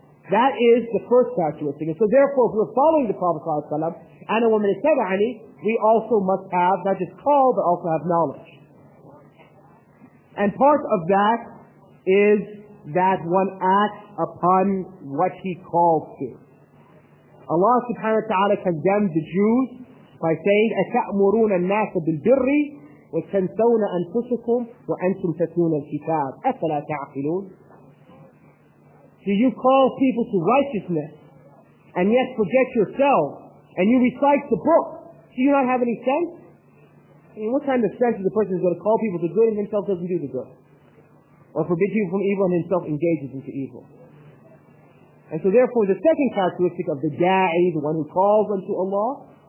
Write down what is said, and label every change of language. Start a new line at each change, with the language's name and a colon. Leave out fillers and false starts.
English: That is the first characteristic. And so therefore, if we're following the Prophet
Arabic: صلى الله عليه وسلم,
English: and a woman is تَبَعَنِي, we also must have not just call, but also have knowledge. And part of that is that one acts upon what he calls to. Allah subhanahu wa ta'ala condemned the Jews by saying,
Arabic: أَتَأْمُرُونَ النَّاسَ بِالْبِرِّ وَتَنْسَوْنَ أَنْفُسَكُمْ وَأَنْتُمْ تَتْلُونَ الْكِتَابِ أَفَلَا تَعْقِلُونَ.
English: Do you call people to righteousness and yet forget yourself and you recite the book? Do you not have any sense? I mean, what kind of sense is a person who's going to call people to good and himself doesn't do the good? Or forbid people from evil and himself engages into evil? And so therefore, the second characteristic of the da'i, the one who calls unto Allah,